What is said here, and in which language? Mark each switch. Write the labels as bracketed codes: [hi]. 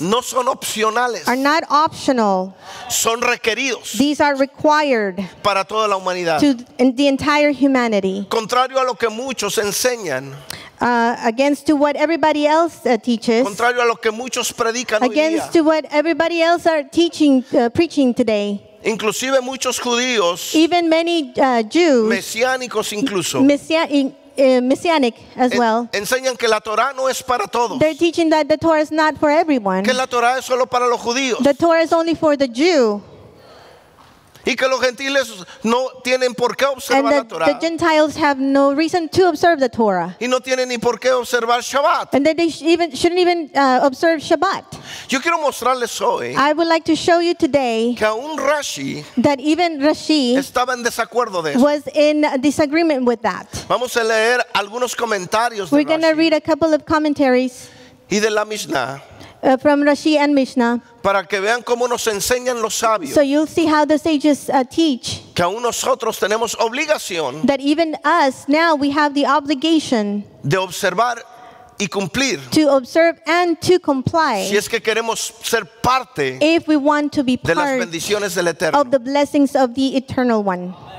[es] no son opcionales. [en] Are not optional. [es] Son requeridos. [en] These are required. [es] Para toda la humanidad. [en] To the entire humanity. [es] Contrario a lo que muchos enseñan. [en] Against to what everybody else teaches. [es] Contrario a lo que muchos predican hoy día. [en] Against to what everybody else are teaching, preaching today. [es] Inclusive muchos judíos. [en] Even many Jews. [es] Mesiánicos incluso. [en] Messianic as well. [es] Enseñan que la Torah no es para todos. [en] They're teaching that the Torah is not for everyone. [es] Que la Torah es solo para los judíos. [en] The Torah is only for the Jew. [es] Y que los gentiles no tienen por qué observar [en] and [es] la Torah. [en] And the Gentiles have no reason to observe the Torah. [es] Y no tienen ni por qué observar Shabbat. [en] And that they shouldn't even observe Shabbat. [es] Yo quiero mostrarles hoy. [en] I would like to show you today. [es] Que aún Rashi. [en] That even Rashi. [es] Estaba en desacuerdo de eso. [en] Was in disagreement with that. [es] Vamos a leer algunos comentarios [en] We're [es] de Rashi. [en] We're going to read a couple of commentaries. [es] Y de la Mishnah. [en] From Rashi and Mishnah. [es] Para que vean cómo nos enseñan los sabios. [en] So you'll see how the sages teach. [es] Que aún nosotros tenemos obligación. [en] That even us now we have the obligation. [es] De observar y cumplir. [en] To observe and to comply. [es] Si es que queremos ser parte. [en] If we want to be part. [es] De las bendiciones del Eterno. [en] Of the blessings of the Eternal One.